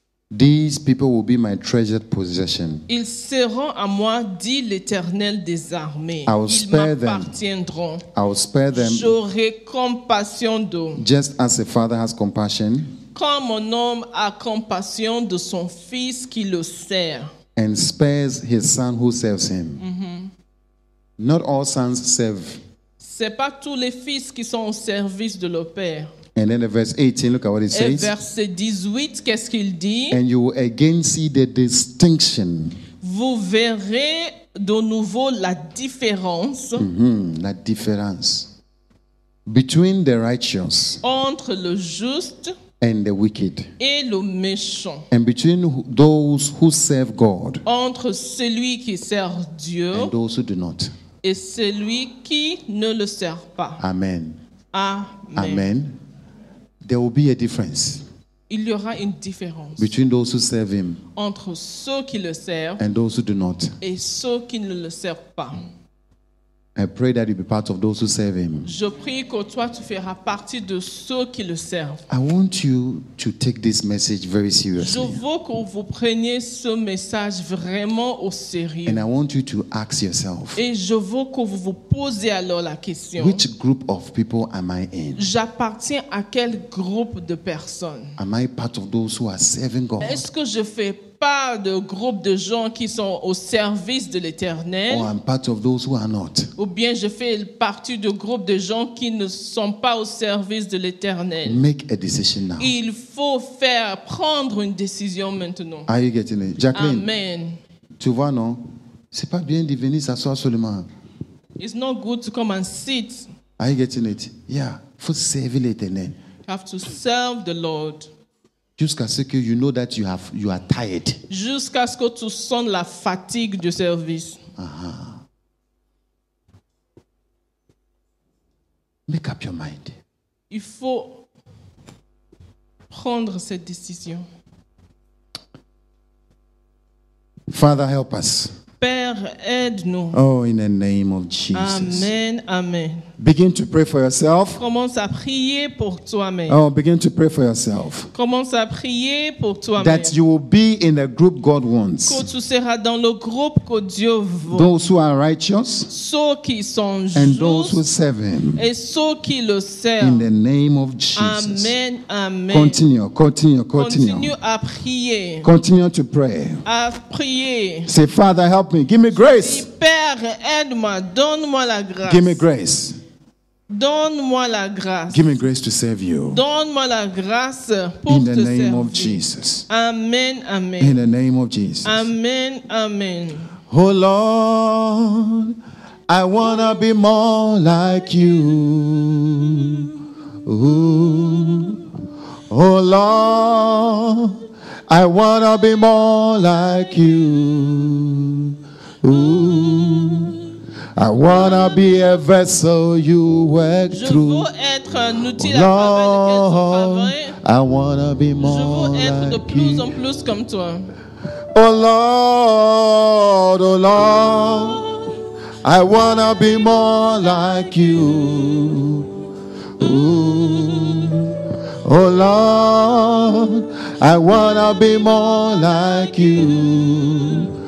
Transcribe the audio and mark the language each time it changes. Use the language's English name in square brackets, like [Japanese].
[English] These people will be my treasured possession. [French] Ils seront à moi, dit l'Éternel des armées. [English] I will spare [French] ils m'appartiendront. [English] Them. I will spare them. [French] J'aurai compassion d'eux. [English] Just as a father has compassion. [French] Comme un homme a compassion de son fils qui le sert. [English] And spares his son who serves him. Mm-hmm. Not all sons serve [French] C'est pas tous les fils qui sont au service de leur père. [English] And then in verse 18, look at what it says. [French] Et verset 18, qu'est-ce qu'il dit? [English] And you will again see the distinction. [French] Vous verrez de nouveau la différence. [English] Mm-hmm, [French] la différence. [English] Between the righteous. [French] Entre le juste. [English] And the wicked. [French] Et le méchant. [English] And between those who serve God. [French] Entre celui qui sert Dieu. [English] And those who do not. [French] Et celui qui ne le sert pas. [English] Amen. Amen. Amen. There will be a difference. [French] Il y aura une différence. [English] Between those who serve him. [French] Entre ceux qui le servent. [English] And those who do not. [French] Et ceux qui ne le servent pas. [English] I pray that you be part of those who serve him. [French] Je prie que toi tu feras partie de ceux qui le servent. [English] I want you to take this message very seriously. [French] Je veux que vous preniez ce message vraiment au sérieux. [English] And I want you to ask yourself. [French] Et je veux que vous vous posiez alors la question. [English] Which group of people am I in? [French] J'appartiens à quel groupe de personnes? [English] Am I part of those who are serving God? [French] Est-ce que je fais pas de groupe de gens qui sont au service de l'Éternel? [English] Or I'm part of those who are not. [French] Ou bien je fais partie de groupe de gens qui ne sont pas au service de l'Éternel? [English] Make a decision now. [French] Il faut prendre une décision maintenant. [English] Are you getting it? Jacqueline, amen. [French] Tu vois, non? C'est pas bien de venir s'asseoir seulement. [English] It's not good to come and sit. Are you getting it? Yeah. [French] Faut servir l'Éternel. [English] You have to serve the Lord. [French] Jusqu'à ce que [English] you know that you are tired. [French] Jusqu'à ce que tu sens la fatigue du service. Uh-huh. [English] Make up your mind. [French] Il faut prendre cette décision. [English] Father, help us. [French] Père, aide-nous. [English] Oh, in the name of Jesus. Amen, amen. Begin to pray for yourself. [French] Commence à prier pour toi-même. [English] Oh, begin to pray for yourself. [French] Commence à prier pour toi-même. [English] That you will be in the group God wants. [French] Que tu seras dans le groupe que Dieu veut. [English] Those who are righteous. [French] Ceux qui sont justes. [English] And those who serve him. [French] Et ceux qui le servent. [English] In the name of Jesus. Amen, amen. Continue. [French] Continue à prier. [English] Continue to pray. [French] À prier. [English] Say, Father, help me. Give me grace. [French] Père, aide-moi. Donne-moi la grâce. [English] Give me grace. [French] Donne-moi la grâce. [English] Give me grace to serve you. [French] Donne-moi la grâce pour [English] in the [French] te [English] name [French] servir. [English] Of Jesus. Amen, amen. In the name of Jesus. Amen, amen. Oh Lord, I want to be more like you. Ooh. Oh Lord, I want to be more like you. Ooh. I wanna be a vessel you work through. [French] Je veux être un outil à travers lequel tu travailles. Je veux être de plus en plus comme toi. [English] Oh Lord, I wanna be more like you. Ooh. Oh Lord, I wanna be more like you.